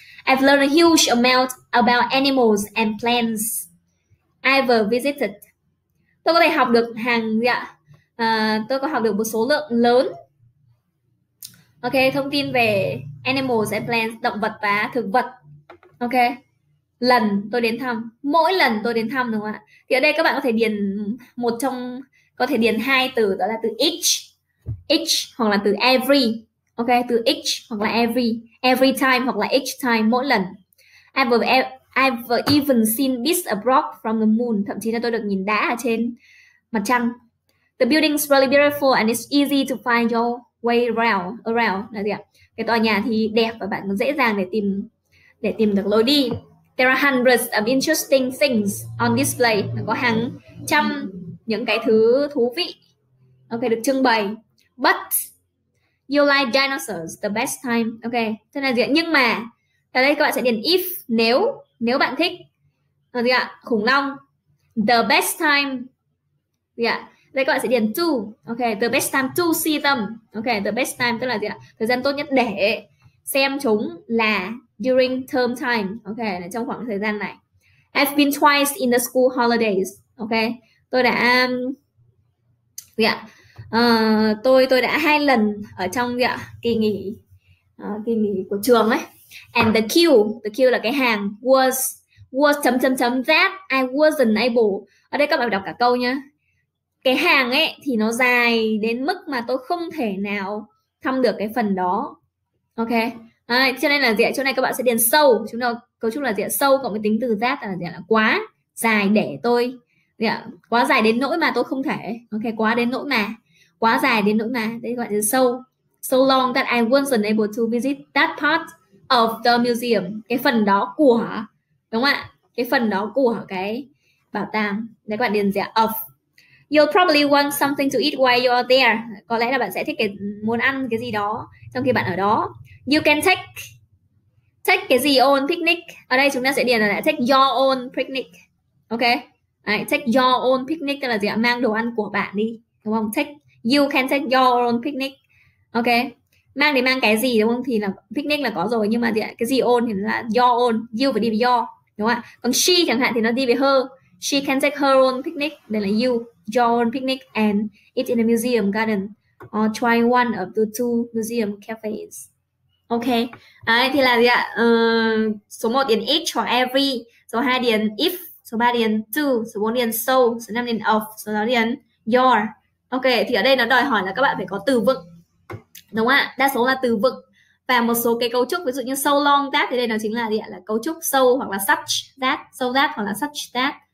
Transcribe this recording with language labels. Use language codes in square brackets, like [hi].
[en] I've learned a huge amount about animals and plants I've visited. [vi] Tôi có thể học được hàng gì ạ? Tôi có học được một số lượng lớn. Ok, thông tin về [en] animals and plants, [vi] động vật và thực vật. Ok, lần tôi đến thăm, mỗi lần tôi đến thăm đúng không ạ? Thì ở đây các bạn có thể điền một trong, có thể điền hai từ, đó là từ each hoặc là từ every. Ok, từ each hoặc là every, [en] every time [vi] hoặc là [en] each time, [vi] mỗi lần. [en] I've even seen bits of rock from the moon, [vi] thậm chí là tôi được nhìn đá ở trên mặt trăng. [en] The building's really beautiful and it's easy to find your way around [vi] là gì ạ? Cái tòa nhà thì đẹp và bạn dễ dàng để tìm được lối đi. [en] There are hundreds of interesting things on display. [vi] Nó có hàng trăm những cái thứ thú vị. Ok, được trưng bày. [en] But you like dinosaurs the best time. Ok, [vi] thế là gì ạ? Nhưng mà ở đây các bạn sẽ điền if, nếu bạn thích là gì ạ? Khủng long. [en] The best time [vi] gì ạ? Đây các bạn sẽ điền to. [en] Ok, the best time to see them. [vi] Ok, [en] the best time [vi] tức là gì ạ? Thời gian tốt nhất để xem chúng là [en] during term time. Ok, [vi] là trong khoảng thời gian này. [en] I've been twice in the school holidays. [vi] Ok, tôi đã gì ạ? Tôi đã hai lần ở trong gì ạ? Kỳ nghỉ của trường ấy. [en] And the queue [vi] là cái hàng [en] was [vi] chấm chấm chấm [en] that I wasn't able. [vi] Ở đây các bạn đọc cả câu nhá. Cái hàng ấy thì nó dài đến mức mà tôi không thể nào thăm được cái phần đó. Ok. Cho nên là gì ạ? Chỗ này các bạn sẽ điền sâu. Chúng ta cấu trúc là gì ạ? Sâu cộng với tính từ that là gì ạ? Là quá dài để tôi Quá dài đến nỗi mà tôi không thể. Ok, quá đến nỗi mà. Quá dài đến nỗi mà. Đấy gọi là [en] so so long that I wasn't able to visit that part of the museum. [vi] Cái phần đó của, đúng không ạ? Cái phần đó của cái bảo tàng. Đấy các bạn điền dĩa of. [en] You'll probably want something to eat while you're there. [vi] Có lẽ là bạn sẽ thích cái muốn ăn cái gì đó trong khi bạn ở đó. [en] You can take [vi] cái gì on picnic. Ở đây chúng ta sẽ điền là [en] take your own picnic. [vi] Ok. Đấy, take your own picnic tức là gì ạ? Mang đồ ăn của bạn đi, đúng không? [en] Take, you can take your own picnic. [vi] Ok. Mang thì mang cái gì đúng không? Thì là picnic là có rồi, nhưng mà gì ạ? Cái gì own thì là your own, you phải đi với your, đúng không ạ? Còn she chẳng hạn thì nó đi với her. [en] She can take her own picnic. [vi] Đây là [en] you, your own picnic and eat in the museum garden or try one of the two museum cafes. [vi] Ok. Đấy, thì là gì ạ? Số 1 điền each or every, số 2 điền if, số 3 điền to, số 4 điền so, số 5 điền of, số 6 điền your. Ok, thì ở đây nó đòi hỏi là các bạn phải có từ vựng. Đúng ạ? Đa số là từ vựng. Và một số cái cấu trúc, ví dụ như so long that, thì đây nó chính là gì ạ? Là cấu trúc so hoặc là such that, so that hoặc là such that.